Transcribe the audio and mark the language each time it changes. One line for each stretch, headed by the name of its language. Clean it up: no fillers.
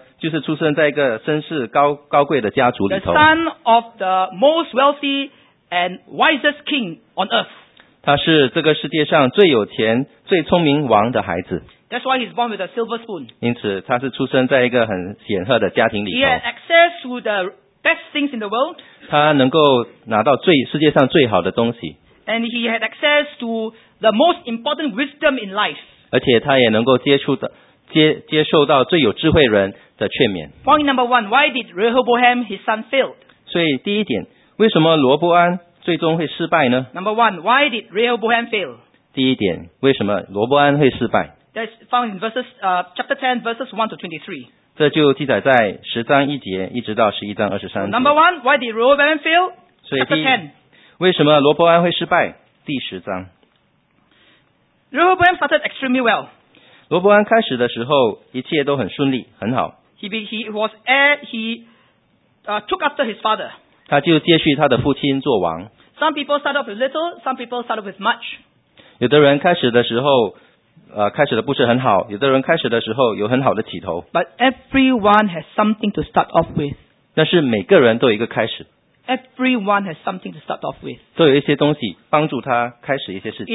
Chinese: 因此，这个罗伯安出世的时候呢，就是出生在一个身世高贵的家族里头。
English: The son of the most wealthy and wisest king on earth.
Chinese: 他是这个世界上最有钱、最聪明王的孩子。
English: That's why he's born with a silver spoon.
Chinese: 因此，他是出生在一个很显赫的家庭里头。
English: He has access to the best things in the world.
Chinese: 他能够拿到世界上最好的东西。
English: And he had access to the most important wisdom in life.
Chinese: 而且他也能够接受到最有智慧人的劝勉。
English: Point number one, why did Rehoboam, his son, failed?
Chinese: 所以第一点，为什么罗伯安？最终会失败呢?
English: Number one, why did Rehoboam fail?
Chinese: 第一点, 为什么罗伯安会失败?
English: That's found in verses, chapter 10, verses 1 to 23.
Chinese: 这就记载在十章一节一直到十一章二十三节。
English: Number one, why did Rehoboam fail? Chapter 10.
Chinese: 为什么罗伯安会失败?第十章。
English: Rehoboam started extremely well.
Chinese: 罗伯安开始的时候一切都很顺利,很好。
English: He took after his father.
Chinese: 他就接续他的父亲做王。
English: Some people start off with little, some people start off with much.
Chinese: 有的人开始的时候不是很好，有的人开始的时候有很好的起头。
English: But everyone has something to start off with.
Chinese: 但是每个人都有一个开始。
English: Everyone has something to start off with.
Chinese: 都有一些东西帮助他开始一些事情。